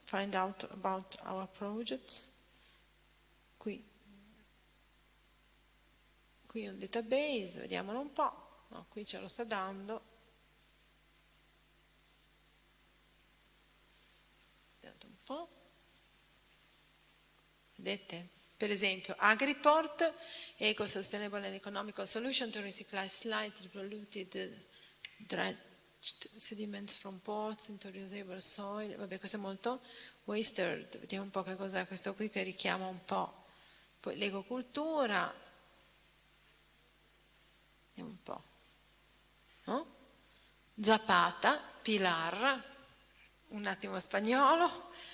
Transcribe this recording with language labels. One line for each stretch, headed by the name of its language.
English: Find out about our projects,
Italian: qui un database, vediamolo un po', no, qui ce lo sta dando, vediamo un po', vedete? Per esempio,
English: AgriPort, Eco Sustainable and Economical Solution to Recycle Slightly Polluted Dredged Sediments from Ports into Reusable Soil.
Italian: Vabbè, questo è molto wasted. Vediamo un po' che cos'è questo qui che richiama un po'. Poi l'ecocultura. Vediamo un po'. No? Zapata, Pilar, un attimo spagnolo.